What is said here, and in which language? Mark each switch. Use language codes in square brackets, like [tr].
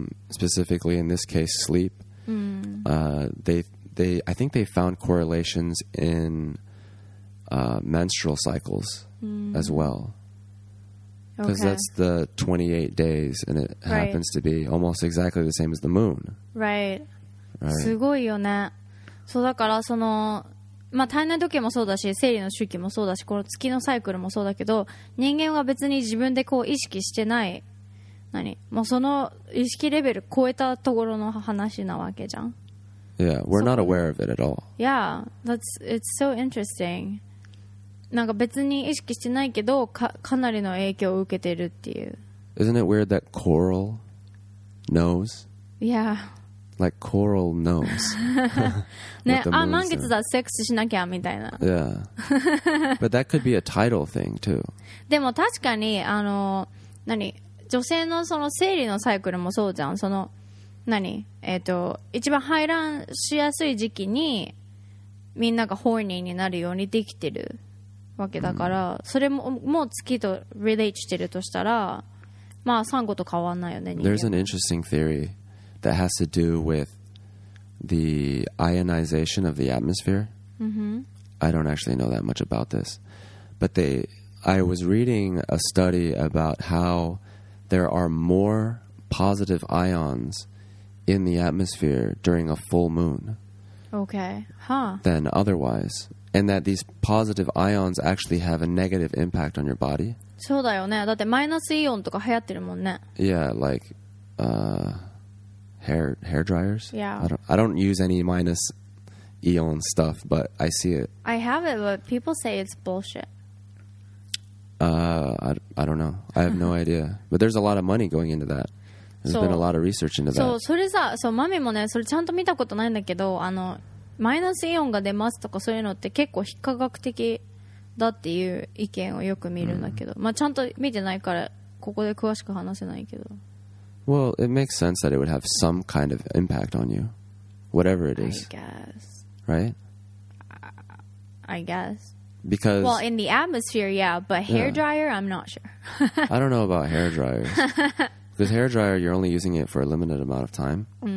[en] Specifically in this case sleep. I think they found correlations in menstrual cycles as well, because that's the 28 days and it right. happens to be almost exactly the same as the moon. Right. [ja] すごいよね。そうだからそのまあ、体内時計もそうだし生理の周期もそうだしこの月のサイクルもそうだけど人間は別に自分でこう意識してない何もうその意識レベル超えたところの話なわけじゃん。 [en] Yeah, we're not aware of it at all. Yeah, that's, it's so interesting. [ja] なんか別に意識してないけど かなりの影響を受けてるっていう。 [en] Isn't it weird that coral knows? Yeah. Like coral knows. [ja] ね、あ、満月だ、セックスしなきゃみたいな。 [en] Yeah. But that could be a tidal thing too. [ja] でも確かにあの何女性のその生理のサイクルもそうじゃん。その何一番排卵しやすい時期にみんながホーニーになるようにできてるわけだから、うん、それも月とリレートしてるとしたらまあサンゴと変わんないよね。 [en] There's an interesting theory that has to do with the ionization of the atmosphere. I don't actually know that much about this, but I was reading a study about howThere are more positive ions in the atmosphere during a full moon. Okay. Huh. Than otherwise. And that these positive ions actually have a negative impact on your body. [ja] そうだよね。だってマイナスイオンとか流行ってるもんね。 [en] Yeah, like hair dryers. Yeah. I don't use any minus ion stuff, but I see it. I have it, but people say it's bullshit. I don't know. I have no idea. But there's a lot of money going into that. There's been a lot of research into that. So, [ja] それさ、そう、マミもね、それちゃんと見たことないんだけど、あの、マイナスイオンが出ますとかそういうのって結構非科学的だっていう意見をよく見るんだけど、まあちゃんと見てないからここで詳しく話せないけど。 [en] Well, it makes sense that it would have some kind of impact on you, whatever it is. I guess. Right? I guess. Because, well, in the atmosphere, yeah, but hair dryer, I'm not sure. I don't know about hair dryers. Because hair dryer, you're only using it for a limited amount of time.